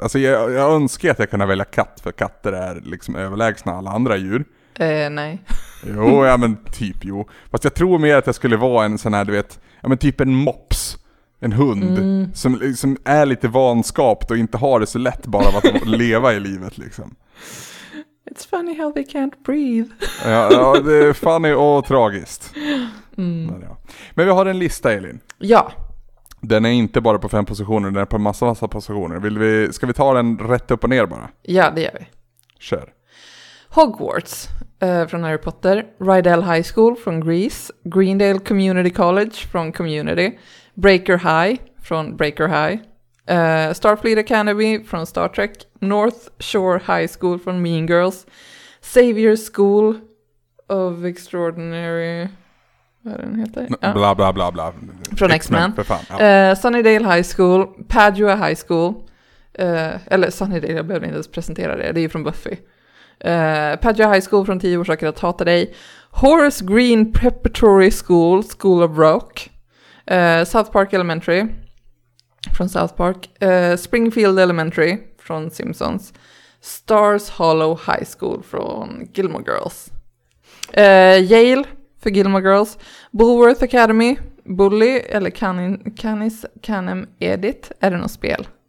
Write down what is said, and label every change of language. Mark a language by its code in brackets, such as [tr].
[sv] Alltså jag önskar att jag kunde välja katt, för katter är liksom överlägsna alla andra djur. Nej. Jo, ja men typ jo. Fast jag tror mer att jag skulle vara en sån här, du vet, ja men typ en mops, en hund som liksom är lite vanskapt och inte har det så lätt bara att leva i livet liksom. [en] It's funny how they can't breathe. [sv] Ja, ja, det är funny och tragiskt. Men, ja. Men vi har en lista, Elin. Ja. Den är inte bara på 5 positioner, den är på massa positioner. Ska vi ta den rätt upp och ner bara? Ja, det gör vi. Kör. Hogwarts från Harry Potter. Rydell High School från Grease. Greendale Community College från Community. Breaker High från Breaker High. Starfleet Academy från Star Trek. North Shore High School från Mean Girls. Xavier School of Extraordinary... Den heter. Ja. Bla bla bla bla. Från X-Men. För fan, ja. Sunnydale High School, Padua High School, eller Sunnydale, jag behöver inte ens presentera det, det är ju från Buffy. Padua High School från 10 orsaker att hata dig. Horace Green Preparatory School, School of Rock. South Park Elementary från South Park. Springfield Elementary från Simpsons. Stars Hollow High School från Gilmore Girls. Yale för Gilmore Girls. Bulworth Academy. Bully eller Canis Canem Edit. Är det något spel?